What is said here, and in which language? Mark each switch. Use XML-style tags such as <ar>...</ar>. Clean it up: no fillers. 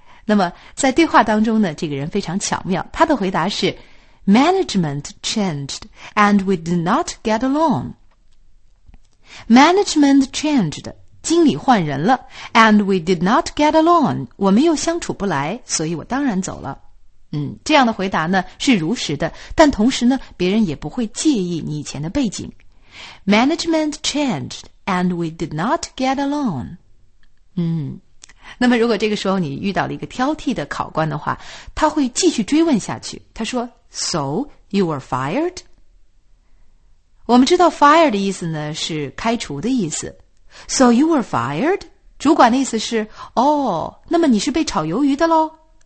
<zh>那么在对话当中呢，这个人非常巧妙，他的回答是</zh> <en>Management changed and we did not get along. Management changed，</en> <zh>经理换人了 ，</zh> <en>and we did not get along，</en> <zh>我们又相处不来，所以我当然走了。这样的回答呢是如实的，但同时呢，别人也不会介意你以前的背景。</zh> <en>Management changed and we did not get along。</en> <zh>那么如果这个时候你遇到了一个挑剔的考官的话，他会继续追问下去。他说 ：</zh> <en>“So you were fired？”</en> <zh>我们知道 fire 的意思呢是开除的意思。</zh> <en>So you were fired?</en> <zh>主管的意思是，哦，那么你是被炒鱿鱼的咯？</zh>